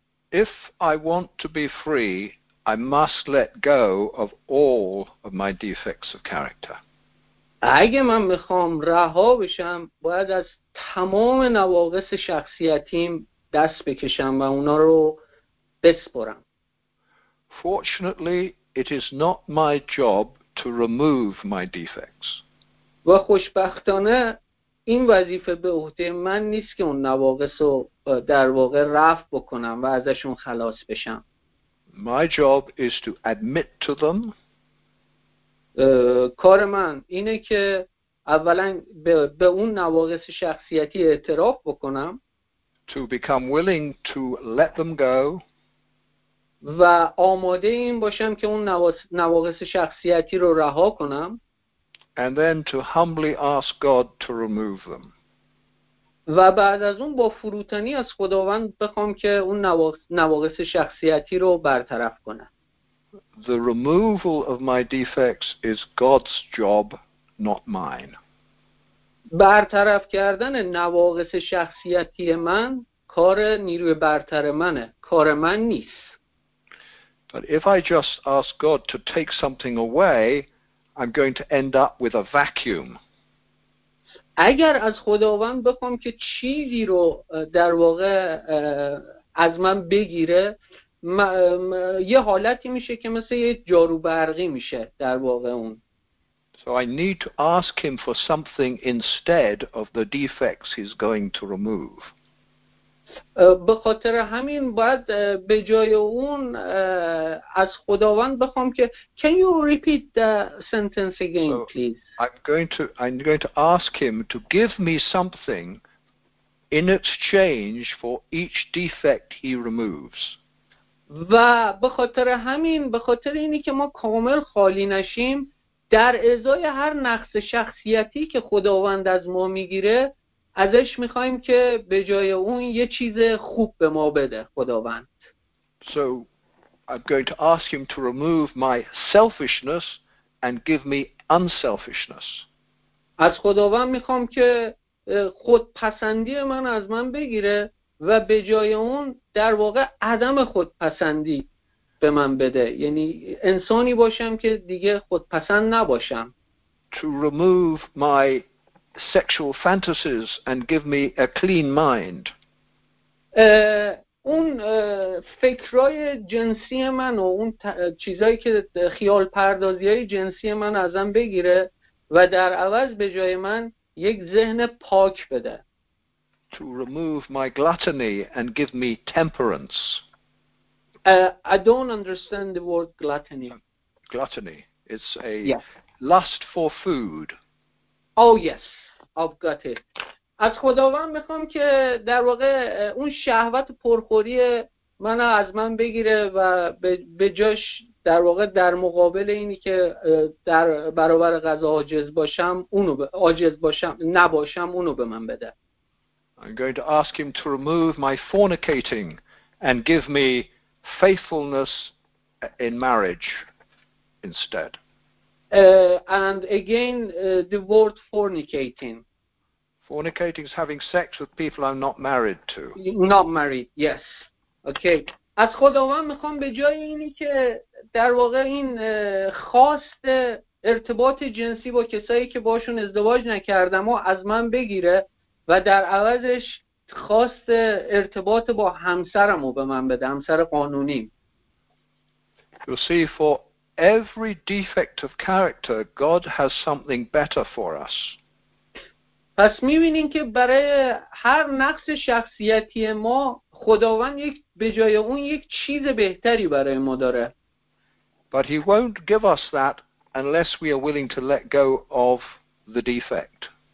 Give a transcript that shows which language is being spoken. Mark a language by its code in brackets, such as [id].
[en] If I want to be free, I must let go of all of my defects of character. [fa] اگه من میخوام رها بشم، باید از تمام نواقص شخصیتیم دست بکشم و اونا رو بسپرم. [en] Fortunately, it is not my job to remove my defects. [fa] و خوشبختانه این وظیفه به عهده من نیست که اون نواقص رو در واقع رفع بکنم و ازشون خلاص بشم. [en] My job is to admit to them. [fa] کار من اینه که اولا به اون نواقص شخصیتی اعتراف بکنم. [en] To become willing to let them go. [fa] و آماده این باشم که اون نواقص شخصیتی رو رها کنم. [en] And then to humbly ask God to remove them. [fa] و بعد از اون با فروتنی از خداوند بخوام که اون نواقص شخصیتی رو برطرف کنم. [en] The removal of my defects is God's job, not mine. [fa] برطرف کردن نواقص شخصیتی من کار نیروی برتر منه، کار من نیست. [en] But if I just ask God to take something away, I'm going to end up with a vacuum. [fa] اگر از خداوند بخوام که چیزی رو در واقع از من بگیره، یه حالتی میشه که مثل یه جارو برقی میشه در واقع اون. [en] So I need to ask him for something instead of the defects he's going to remove. [fa] به خاطر همین باید به جای اون از خداوند بخوام که [en] can you repeat the sentence again please. So I'm going to ask him to give me something in exchange for each defect he removes. [fa] و به خاطر همین، به خاطر اینی که ما کامل خالی نشیم، در ازای هر نقص شخصیتی که خداوند از ما میگیره، ازش میخوایم که به جای اون یه چیز خوب به ما بده خداوند. [en] So I'm going to ask him to remove my selfishness and give me unselfishness. [fa] از خداوند میخوام که خودپسندی من از من بگیره و به جای اون در واقع عدم خودپسندی به من بده، یعنی انسانی باشم که دیگه خودپسند نباشم. [en] To remove my sexual fantasies and give me a clean mind. [fa] اون فکرای جنسی من و اون چیزایی که خیال پردازیای جنسی من ازم بگیره و در عوض به جای من یک ذهن پاک بده. [en] To remove my gluttony and give me temperance. I don't understand the word gluttony. Gluttony. It's a lust for food. Oh yes, I've got it. [fa] از خداوند میخوام که در واقع اون شهوت پرخوری منو از من بگیره و به جاش در واقع در مقابل اینی که در برابر غذا عاجز باشم اونو عاجز باشم نباشم اونو به من بده. [en] I'm going to ask him to remove my fornicating and give me faithfulness in marriage instead. The word fornicating. Fornicating is having sex with people I'm not married to. Not married, yes. Okay. [fa] از خداوند میخوام به جای اینی که در واقع این خواست ارتباط جنسی با کسایی که باشون ازدواج نکردم و از من بگیره و در عوضش خواست ارتباط با همسرمو به من بده، همسر قانونیم. [en] You see, for every defect of character, God has something better for us. [fa] پس می‌بینین که برای هر نقص شخصیتی ما خداوند یک به جای اون یک چیز بهتری برای ما داره. [en] But he won't give us that unless we are willing to let go of the defect.